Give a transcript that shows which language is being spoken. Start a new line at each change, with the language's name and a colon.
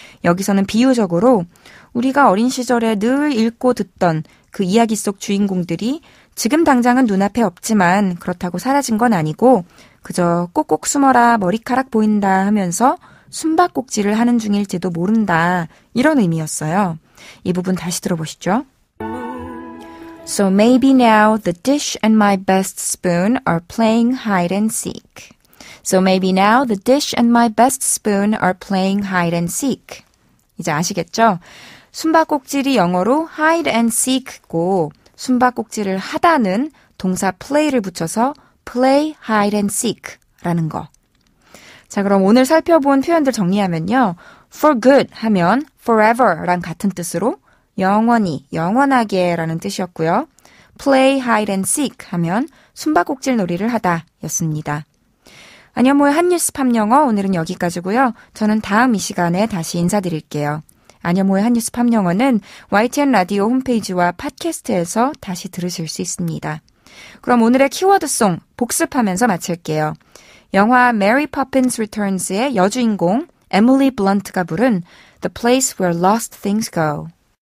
Korean: 여기서는 비유적으로 우리가 어린 시절에 늘 읽고 듣던 그 이야기 속 주인공들이 지금 당장은 눈앞에 없지만 그렇다고 사라진 건 아니고 그저 꼭꼭 숨어라 머리카락 보인다 하면서 숨바꼭질을 하는 중일지도 모른다 이런 의미였어요. 이 부분 다시 들어보시죠.
English: So maybe now the dish and my best spoon are playing hide and seek. So maybe now the dish and my best spoon are playing hide and seek.
Korean: 이제 아시겠죠? 숨바꼭질이 영어로 hide and seek고 숨바꼭질을 하다는 동사 play를 붙여서 play hide and seek라는 거. 자, 그럼 오늘 살펴본 표현들 정리하면요. For good 하면 forever랑 같은 뜻으로 영원히, 영원하게 라는 뜻이었고요. Play hide and seek 하면 숨바꼭질 놀이를 하다 였습니다. 안녕 모의 한뉴스 팝 영어 오늘은 여기까지고요. 저는 다음 이 시간에 다시 인사드릴게요. 안현모의 한뉴스 팜영어는 YTN 라디오 홈페이지와 팟캐스트에서 다시 들으실 수 있습니다. 그럼 오늘의 키워드송 복습하면서 마칠게요. 영화 Mary Poppins Returns의 여주인공 Emily Blunt가 부른 The Place Where Lost Things Go.